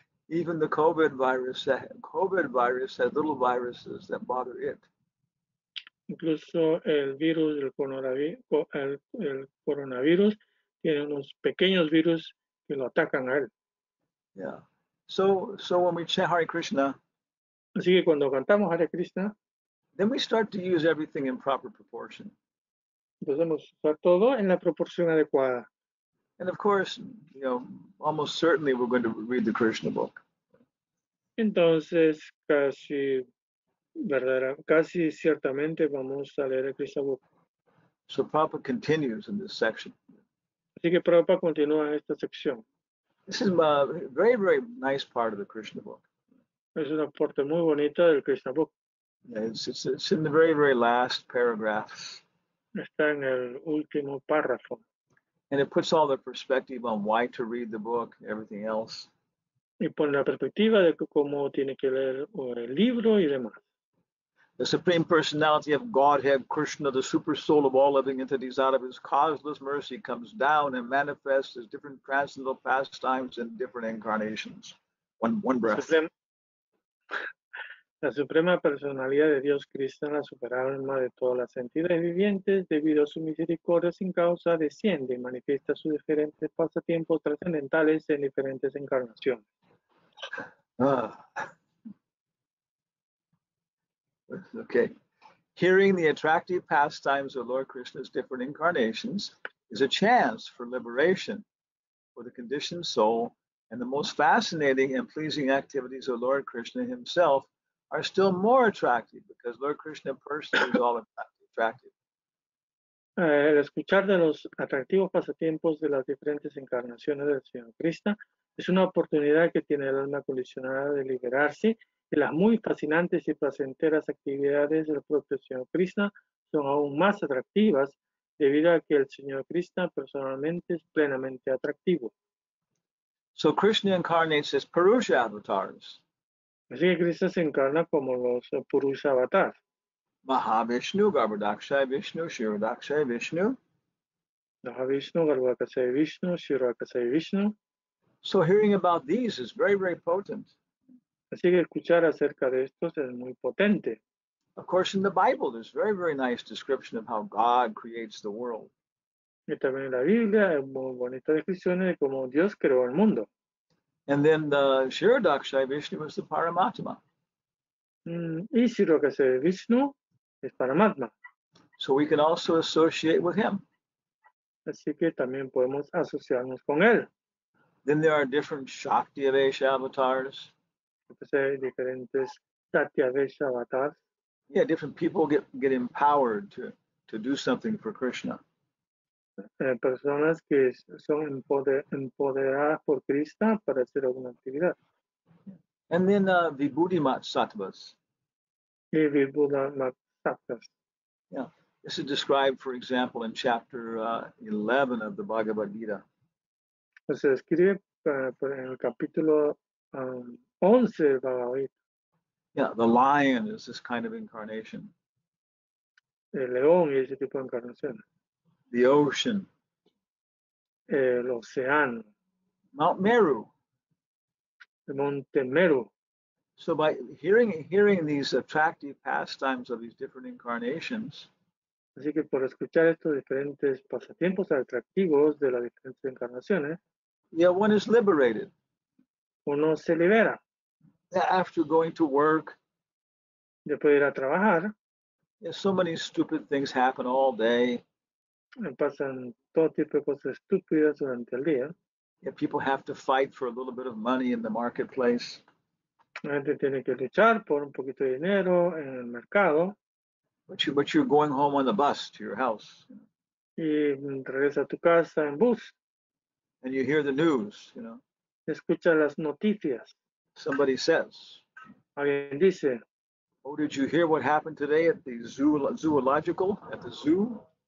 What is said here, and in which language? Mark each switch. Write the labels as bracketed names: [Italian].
[English] Even the COVID virus has little viruses that bother it. [Spanish] Incluso el virus del coronavirus tiene unos pequeños virus que lo atacan a él. [English] Yeah. So when we chant Hare Krishna, [Spanish] así que cuando cantamos Hare Krishna, [English] then we start to use everything in proper proportion. [Spanish] Empezamos a usar todo en la proporción adecuada. [English] And of course, almost certainly we're going to read the Krishna book. [Spanish] Entonces, casi, verdadera, casi ciertamente vamos a leer el Krishna book. [English] So Prabhupada continues in this section. [Spanish] Así que Prabhupada continúa en esta sección. [English] This is a very, very nice part of the Krishna book. [Spanish] Es una parte muy bonita del Krishna book. [English] It's in the very, very last paragraph. [Spanish] Está en el último párrafo. [English] And it puts all the perspective on why to read the book, everything else. [Spanish] Y pone la perspectiva de cómo tiene que leer el libro y demás. [English] The Supreme Personality of Godhead, Krishna, the Super Soul of all living entities, out of his causeless mercy comes down and manifests his different transcendental pastimes in different incarnations. One breath. [Spanish] La suprema personalidad de Dios Krishna, la superalma de todas las entidades vivientes, debido a su misericordia sin causa, desciende y manifiesta sus diferentes pasatiempos trascendentales en diferentes encarnaciones. [English] Okay. Hearing the attractive pastimes of Lord Krishna's different incarnations is a chance for liberation for the conditioned soul, and the most fascinating and pleasing activities of Lord Krishna himself are still more attractive because Lord Krishna personally is all attractive. [Spanish] El escuchar de los atractivos pasatiempos de las diferentes encarnaciones del Señor Krishna es una oportunidad que tiene el alma condicionada de liberarse, y las muy fascinantes y placenteras actividades del propio Señor Krishna son aún más atractivas debido a que el Señor Krishna personalmente es plenamente atractivo. [English] So Krishna incarnates as Purusha avatars. [Spanish] Así que Krishna se encarna como los Purusha avatars. [English] Mahavishnu, Garbhadakshaya Vishnu, Shirodakshaya Vishnu. [Spanish] Mahavishnu, Garbhadakshaya Vishnu, Shirodakshaya Vishnu. [English] So hearing about these is very, very potent. [Spanish] Así que escuchar acerca de estos es muy potente. [English] Of course, in the Bible, there's very, very nice description of how God creates the world. [Spanish] Y también en la Biblia hay muy bonitas descripciones de cómo Dios creó el mundo. [English] And then the Shirodakshaya Vishnu is the Paramatma. [Spanish] Y Shirodakshaya Vishnu es Paramatma. [English] So we can also associate with him. [Spanish] Así que también podemos asociarnos con él. [English] Then there are different Shakti Avesha avatars. [Spanish] Diferentes Shakti Avesha avatars. [English] Yeah, different people get empowered to do something for Krishna. [Spanish] Personas que son empoderadas por Krishna para hacer alguna actividad. [English] And then Vibhuti-mat-sattvas. [Spanish] Vibhuti-mat-sattvas. [English] Yeah, this is described, for example, in chapter 11 of the Bhagavad Gita. [Spanish] Se escribe en el capítulo 11 de Bhagavad Gita. [English] Yeah, the lion is this kind of incarnation. [Spanish] El león es ese tipo de encarnación. [English] The ocean. [Spanish] El océano. [English] Mount Meru. [Spanish] El monte Meru. [English] So by hearing these attractive pastimes of these different incarnations, [Spanish] así que por escuchar estos diferentes pasatiempos atractivos de las diferentes encarnaciones, [English] yeah, one is liberated. [Spanish] Uno se libera. [English] After going to work, [Spanish] después de ir a trabajar, [English] yeah, so many stupid things happen all day. [Spanish] Pasan todo tipo de cosas estúpidas durante el día. [English] Yeah, people have to fight for a little bit of money in the marketplace. [Spanish] La gente tiene que luchar por un poquito de dinero en el mercado. [English] But you're going home on the bus to your house. [Spanish] Y regresa a tu casa en bus. [English] And you hear the news, you know. [Spanish] Escucha las noticias. [English] Somebody says. [Spanish] Alguien dice. [English] Oh, did you hear what happened today at the zoological, at the zoo?